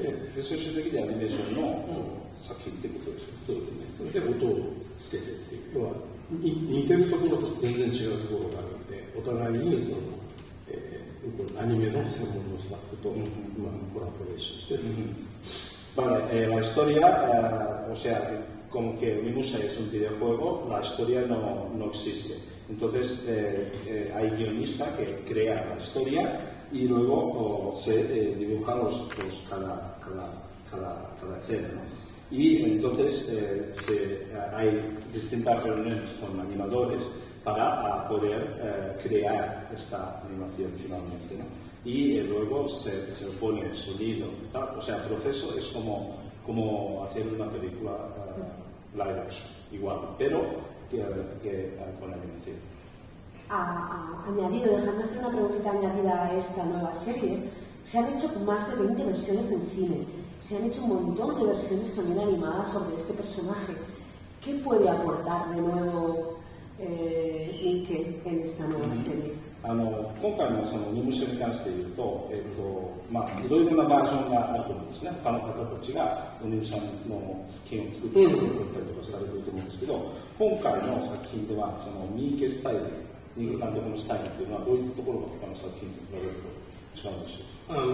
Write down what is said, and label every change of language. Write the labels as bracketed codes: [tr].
[ja] で、最終的にアニメーションの、うん、作品ってことですよ。そうですね。それで音をつけてっていう。似てるところと全然違うところがあるので、お互いにその、アニメの専門のスタッフと、うん、まあ、コラボレーションして、うん、 [es] vale, la historia, o sea, como que Mimusha es un videojuego, la historia no, no existe. Entonces, hay guionista que crea la historia y luego se dibuja los, pues, cada escena, ¿no? Y entonces hay distintas reuniones con animadores para poder crear esta animación finalmente, ¿no? Y luego se pone el sonido y tal. O sea, el proceso es como hacer una película live action, igual, pero que con animación. Añadido, dejando hacer una pregunta añadida a esta nueva serie, se han hecho más de 20 versiones en cine. Se han hecho un montón de versiones también animadas sobre este personaje. ¿Qué puede aportar de nuevo Ike en esta nueva serie? [ja] その任務者に関して言うと、まあ、いろいろなバージョンがあると思うんですね。他の方たちが任務者の作品を作ったりとかされていると思うんですけど、今回の作品では、その三池スタイル、三池監督のスタイルというのは、どういったところが他の作品と比べると違うんでしょうか。